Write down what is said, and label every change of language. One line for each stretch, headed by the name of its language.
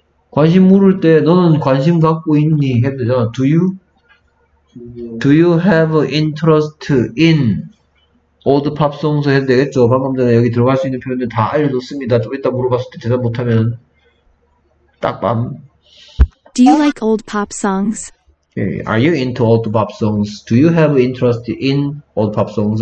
Korean: 관심 물을 때 너는 관심 갖고 있니? 해도 되잖아.
English: Do you? Do you have interest in old pop songs
Korean: 해도 되겠죠. 방금 전에 여기 들어갈 수 있는 표현들 다 알려줬습니다. 좀 이따 물어봤을 때 대답 못하면 딱 밤.
English: Do you like old pop songs? Are you into old pop songs? Do you have interest in old pop songs?